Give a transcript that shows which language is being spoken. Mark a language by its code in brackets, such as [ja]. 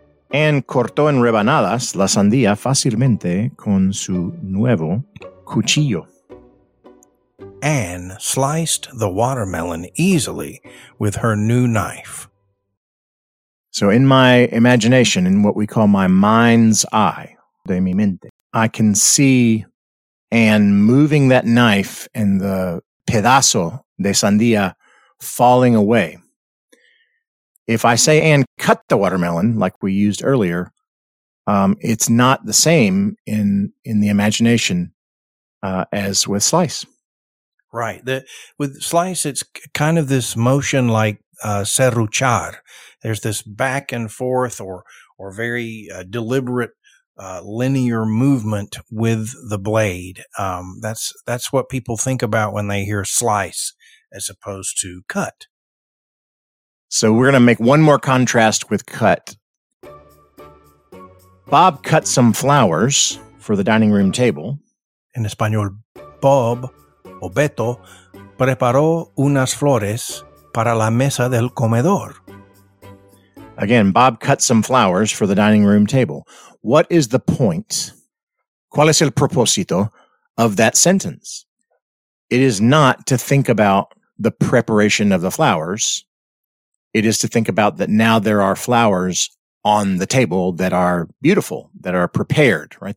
[es] Anne cortó en rebanadas la sandía fácilmente con su nuevo cuchillo. [en] Anne sliced the watermelon easily with her new knife. So in my imagination, in what we call my mind's eye, [es] de mi mente, [en] I can see Anne moving that knife and the [es] pedazo de sandía [en] falling away. If I say Anne cut the watermelon, like we used earlier, it's not the same in the imagination as with slice. Right. With slice, it's kind of this motion like serruchar. There's this back and forth or very deliberate linear movement with the blade. That's what people think about when they hear slice as opposed to cut. So we're going to make one more contrast with cut. Bob cut some flowers for the dining room table. [es] En español, Bob o Beto preparó unas flores para la mesa del comedor. [en] Again, Bob cut some flowers for the dining room table. What is the point? [es] ¿Cuál es el propósito [en] of that sentence? It is not to think about the preparation of the flowers. It is to think about that now there are flowers on the table that are beautiful, that are prepared, right?